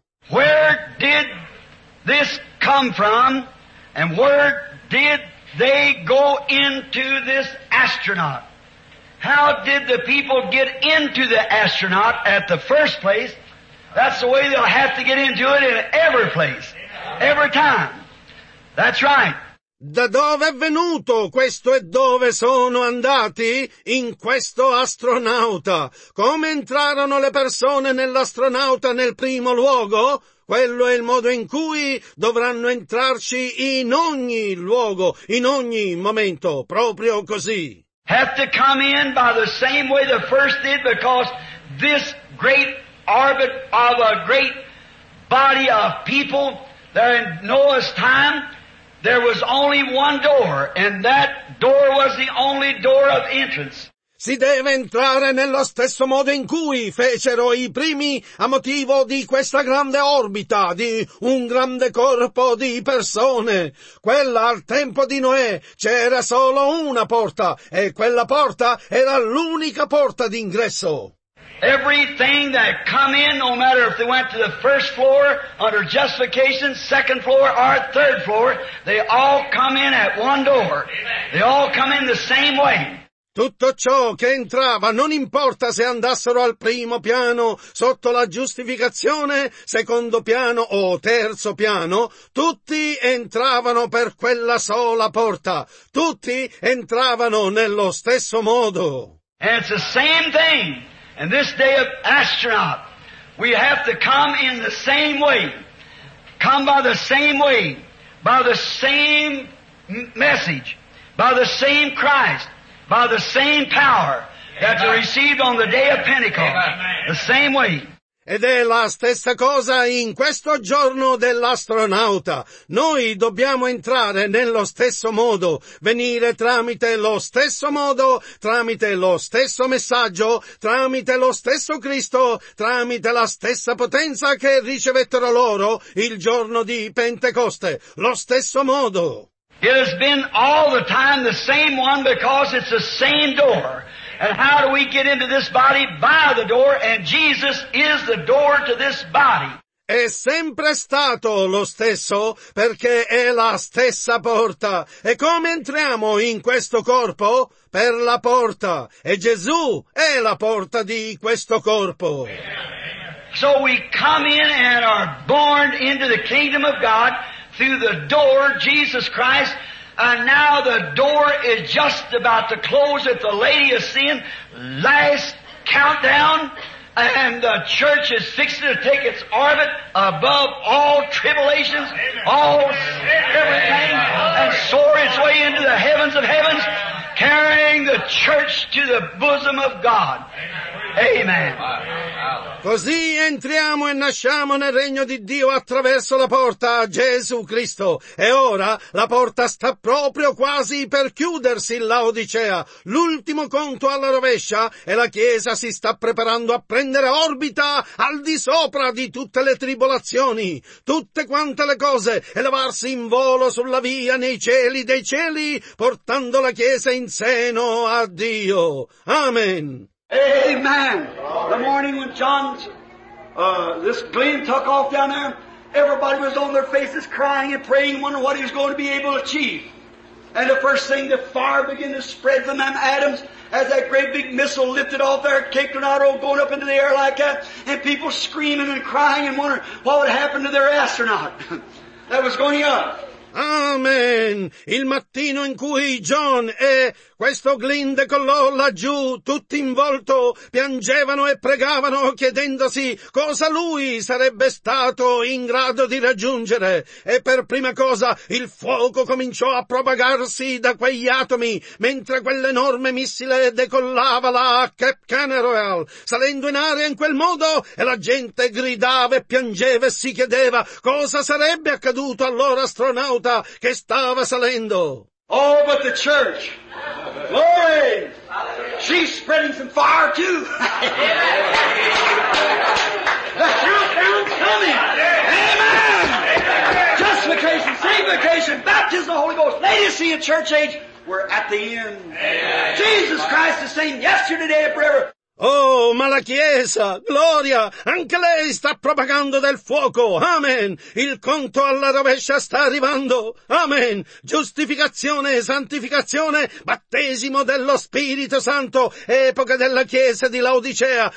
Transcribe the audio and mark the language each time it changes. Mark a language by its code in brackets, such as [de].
[en] Where did this come from, and where did they go into this astronaut? How did the people get into the astronaut at the first place? That's the way they'll have to get into it in every place, every time. That's right. [it] Da dove è venuto questo e dove sono andati in questo astronauta? Come entrarono le persone nell'astronauta nel primo luogo? Quello è il modo in cui dovranno entrarci in ogni luogo, in ogni momento, proprio così. [en] Have to come in by the same way the first did, because this great orbit of a great body of people there in Noah's time, there was only one door, and that door was the only door of entrance. [it] Si deve entrare nello stesso modo in cui fecero i primi a motivo di questa grande orbita, di un grande corpo di persone. Quella al tempo di Noè c'era solo una porta, e quella porta era l'unica porta d'ingresso. [en] Everything that come in, no matter if they went to the first floor under justification, second floor, or third floor, they all come in at one door. They all come in the same way. [it] Tutto ciò che entrava, non importa se andassero al primo piano, sotto la giustificazione, secondo piano o terzo piano, tutti entravano per quella sola porta. Tutti entravano nello stesso modo. [en] And it's the same thing. And this day of astronaut, we have to come in the same way. Come by the same way. By the same message. By the same Christ. By the same power that you received on the day of Pentecost. The same way. [it] Ed è la stessa cosa in questo giorno dell'astronauta. Noi dobbiamo entrare nello stesso modo, venire tramite lo stesso modo, tramite lo stesso messaggio, tramite lo stesso Cristo, tramite la stessa potenza che ricevettero loro il giorno di Pentecoste. Lo stesso modo. [en] It has been all the time the same one, because it's the same door. And how do we get into this body? By the door, and Jesus is the door to this body. [it] È sempre stato lo stesso, perché è la stessa porta. E come entriamo in questo corpo? Per la porta. E Gesù è la porta di questo corpo. [en] So we come in and are born into the kingdom of God through the door, Jesus Christ, and now the door is just about to close at the lady of sin, last countdown, and the church is fixing to take its orbit above all tribulations, all everything, and soar its way into the heavens of heavens, carrying the church to the bosom of God. Amen. [it] Così entriamo e nasciamo nel regno di Dio attraverso la porta, Gesù Cristo. E ora la porta sta proprio quasi per chiudersi, Laodicea. L'ultimo conto alla rovescia, e la Chiesa si sta preparando a prendere orbita al di sopra di tutte le tribolazioni, tutte quante le cose, elevarsi in volo sulla via nei cieli dei cieli, portando la Chiesa in seno a Dio. Amen. Amen. [en] The morning when John's, this plane took off down there, everybody was on their faces crying and praying, wondering what he was going to be able to achieve. And the first thing, the fire began to spread from them atoms as that great big missile lifted off there, Cape Canaveral, going up into the air like that, and people screaming and crying and wondering what would happen to their astronaut that was going up. Amen. [it] Il mattino in cui John e questo Glenn decollò laggiù, tutti in volto, piangevano e pregavano chiedendosi cosa lui sarebbe stato in grado di raggiungere. E per prima cosa il fuoco cominciò a propagarsi da quegli atomi, mentre quell'enorme missile decollava là a Cape Canaveral, salendo in aria in quel modo, e la gente gridava e piangeva e si chiedeva cosa sarebbe accaduto al loro astronauta che stava salendo. [en] Oh, but the church, glory, she's spreading some fire too. The countdown's coming. Amen. Justification, sanctification, baptism of the Holy Ghost, lady of sin, church age, we're at the end. Jesus Christ is saying yesterday and forever. [it] Oh, ma la Chiesa, gloria, anche lei sta propagando del fuoco. Amen. Il conto alla rovescia sta arrivando. Amen. Giustificazione, santificazione, battesimo dello Spirito Santo, epoca della Chiesa di Laodicea.